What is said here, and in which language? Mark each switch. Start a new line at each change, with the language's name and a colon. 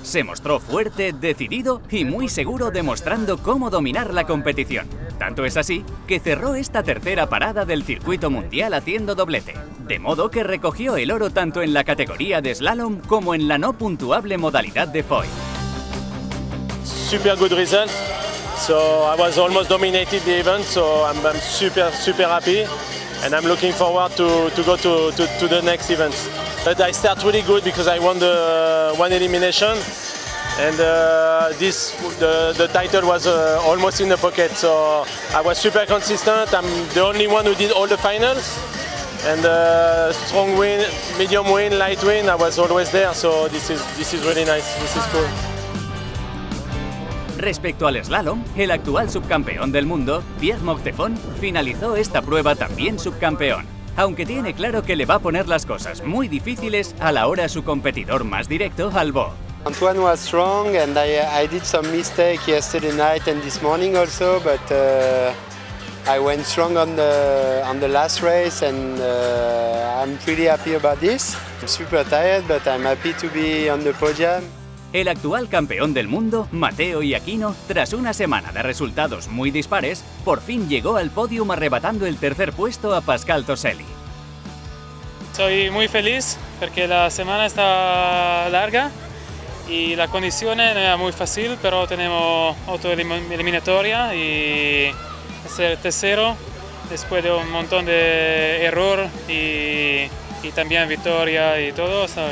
Spanish: Se mostró fuerte, decidido y muy seguro, demostrando cómo dominar la competición. Tanto es así que cerró esta tercera parada del circuito mundial haciendo doblete, de modo que recogió el oro tanto en la categoría de slalom como en la no puntuable modalidad de foil.
English: Super good result. So I was almost dominated the event, so I'm super super happy and I'm looking forward to go to the next event. But I start really good because I won the one elimination and the title was almost in the pocket. So I was super consistent. I'm the only one who did all the finals and strong win, medium win, light win. I was always there. So this is really nice. This is cool.
Spanish: Respecto al slalom, el actual subcampeón del mundo, Pierre Moctefon, finalizó esta prueba también subcampeón, aunque tiene claro que le va a poner las cosas muy difíciles a la hora su competidor más directo, Albo.
English: Antoine was strong and I did some mistake yesterday night and this morning also, but I went strong on the last race and I'm pretty happy about this. I'm super tired, but I'm happy to be on the podium.
Spanish: El actual campeón del mundo, Matteo Iacchino, tras una semana de resultados muy dispares, por fin llegó al podium arrebatando el tercer puesto a Pascal Toselli. Soy muy feliz porque la semana está larga y la condición no era muy fácil, pero tenemos otra eliminatoria y es el tercero después de un montón de error y también victoria y todo.